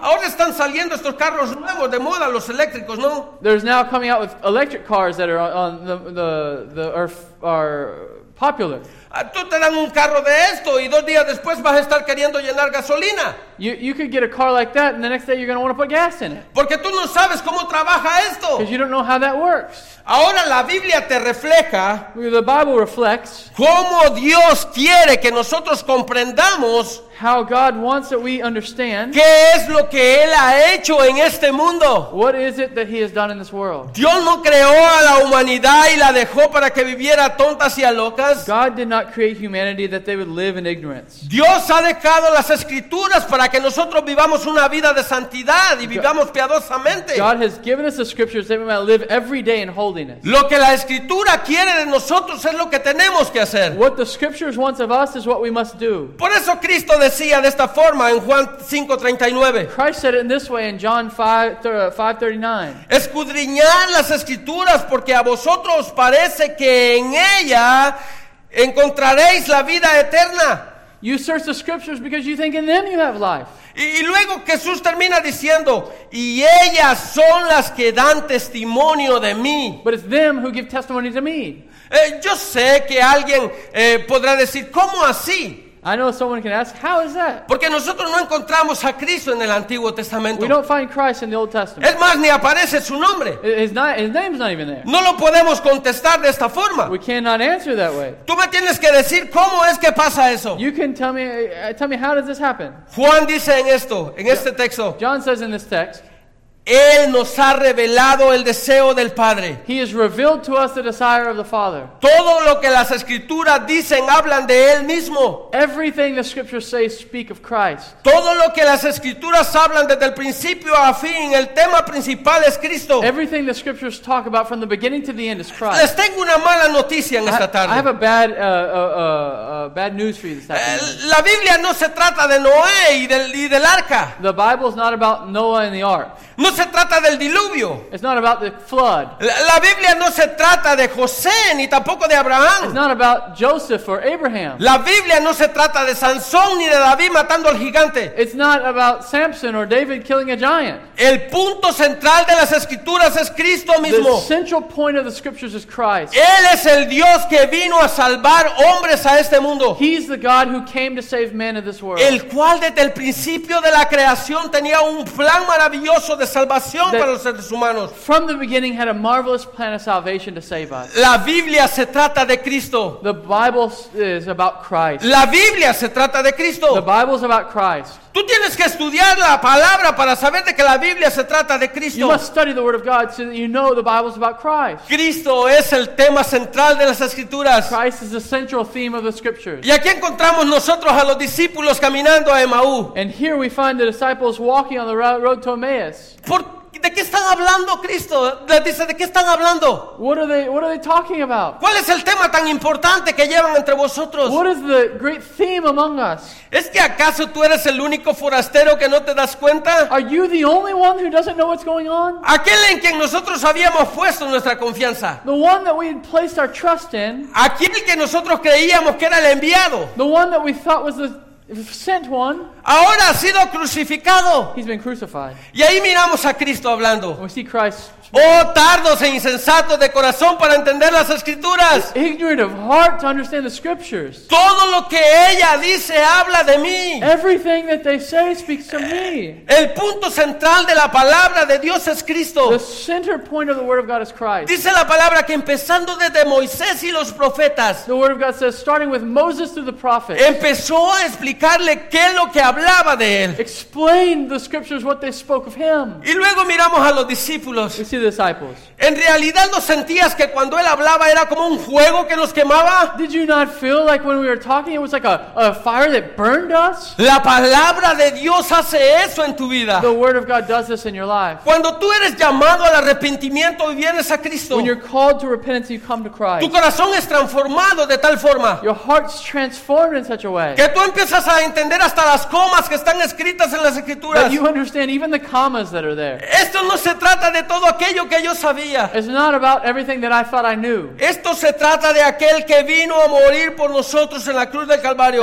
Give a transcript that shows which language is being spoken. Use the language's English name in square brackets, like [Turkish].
[Spanish] Ahora están saliendo estos carros nuevos de moda, los eléctricos, ¿no? [English] There's now coming out with electric cars that are on the are popular. [Spanish] Tú te dan un carro de esto y dos días después vas a estar queriendo llenar gasolina. [English] You could get a car like that and the next day you're going to want to put gas in it. [Spanish] Porque tú no sabes cómo trabaja esto. [English] Because you don't know how that works. [Spanish] Ahora la Biblia te refleja. [English] The Bible reflects. [Spanish] Cómo Dios quiere que nosotros comprendamos. [English] How God wants that we understand. [Spanish] ¿Qué es lo que Él ha hecho en este mundo? [English] What is it that He has done in this world? [Spanish] Dios no creó a la humanidad y la dejó para que viviera tontas y a locas. [English] God did not create humanity that they would live in ignorance. [Spanish] Dios ha dejado las Escrituras para que nosotros vivamos una vida de santidad y vivamos piadosamente. [English] God has given us the Scriptures that we might live every day in holiness. [Spanish] Lo que la Escritura quiere de nosotros es lo que tenemos que hacer. [English] What the Scriptures wants of us is what we must do. [Spanish] Por eso Cristo decía de esta forma en Juan 5:39. [English] Christ said it in this way in John 5:39. [Spanish] Escudriñad las Escrituras porque a vosotros parece que en ella encontraréis la vida eterna. [English] You search the Scriptures because you think in them you have life. [Spanish] Y luego Jesús termina diciendo, y ellas son las que dan testimonio de mí. [English] But it's them who give testimony to me. [Spanish] Yo sé que alguien podrá decir, ¿cómo así? [English] I know someone can ask, how is that? [Spanish] Porque nosotros no encontramos a Cristo en el Antiguo Testamento. [English] We don't find Christ in the Old Testament. [Spanish] Es más, ni aparece su nombre. [English] His name is not even there. [Spanish] No lo podemos contestar de esta forma. [English] We cannot answer that way. [Spanish] Tú me tienes que decir cómo es que pasa eso. [English] You can tell me how does this happen? [Spanish] Juan dice en esto, en este texto. [English] John says in this text. [Spanish] Él nos ha revelado el deseo del Padre. [English] He has revealed to us the desire of the Father. [Spanish] Todo lo que las Escrituras dicen hablan de Él mismo. [English] Everything the Scriptures say speak of Christ. [Spanish] Todo lo que las Escrituras hablan desde el principio a fin, el tema principal es Cristo. [English] Everything the Scriptures talk about from the beginning to the end is Christ. [Spanish] Les tengo una mala noticia en esta tarde. [English] I have a bad news for you this afternoon. [Spanish] La Biblia no se trata de Noé y del arca. [English] The Bible is not about Noah and the ark. [Spanish] No se trata del diluvio. [English] It's not about the flood. [Spanish] La Biblia no se trata de José ni tampoco de Abraham. [English] It's not about Joseph or Abraham. [Spanish] La Biblia no se trata de Sansón ni de David matando al gigante. [English] It's not about Samson or David killing a giant. [Spanish] El punto central de las Escrituras es Cristo mismo. [English] The central point of the Scriptures is Christ. [Spanish] Él es el Dios que vino a salvar hombres a este mundo. [English] He's the God who came to save men in this world. [Spanish] El cual desde el principio de la creación tenía un plan maravilloso de salvación para los seres humanos. [English] From the beginning had a marvelous plan of salvation to save us. [Spanish] La Biblia se trata de Cristo. [English] The Bible is about Christ. [Spanish] La Biblia se trata de Cristo. [English] The Bible is about Christ. [Spanish] Tú tienes que estudiar la palabra para saber de que la Biblia se trata de Cristo. [English] You must study the word of God so that you know the Bible is about Christ. [Spanish] Cristo es el tema central de las Escrituras. [English] Christ is the central theme of the Scriptures. [Spanish] Y aquí encontramos nosotros a los discípulos caminando a Emaús. [English] And here we find the disciples walking on the road to Emmaus. [Spanish] ¿De qué están hablando, Cristo? Les dice, ¿de qué están hablando? [English] What are they talking about? [Spanish] ¿Cuál es el tema tan importante que llevan entre vosotros? [English] What is the great theme among us? [Spanish] ¿Es que acaso tú eres el único forastero que no te das cuenta? [English] Are you the only one who doesn't know what's going on? [Spanish] Aquel en quien nosotros habíamos puesto nuestra confianza. [English] The one that we had placed our trust in. [Spanish] Aquel que nosotros creíamos que era el enviado. [English] The one that we thought was the sent one. [Spanish] Ahora ha sido crucificado. [English] He's been crucified. [Spanish] Y ahí miramos a Cristo hablando. [English] We see Christ. [Spanish] Oh, tardos e insensatos de corazón para entender las Escrituras. [English] Ignorant of heart to understand the Scriptures. [Spanish] Todo lo que ella dice habla de mí. [English] Everything that they say speaks of me. [Spanish] El punto central de la palabra de Dios es Cristo. [English] The center point of the Word of God is Christ. [Spanish] Dice la palabra que empezando desde Moisés y los profetas. [English] The Word of God says, starting with Moses through the prophets. [Spanish] Empezó a explicarle qué es lo que hablaba de él. [English] Explained the Scriptures what they spoke of him. [Spanish] Y luego miramos a los discípulos. [English] We see the disciples. [Spanish] ¿En realidad no sentías que cuando él hablaba era como un fuego que nos quemaba? [English] Did you not feel like when we were talking it was like a fire that burned us? [Spanish] La palabra de Dios hace eso en tu vida. [English] The word of God does this in your life. [Spanish] Cuando tú eres llamado al arrepentimiento y vienes a Cristo. [English] When you're called to repentance you come to Christ. [Spanish] Tu corazón es transformado de tal forma. [English] Your heart's transformed in such a way. [Spanish] Que tú empiezas a entender hasta las comas que están escritas en las Escrituras. [English] That you understand even the commas that are there. [Spanish] Esto no se trata de todo aquello que yo sabía. [English] It's not about everything that I thought I knew. [Spanish] Esto se trata de aquel que vino a morir por nosotros en la cruz del Calvario.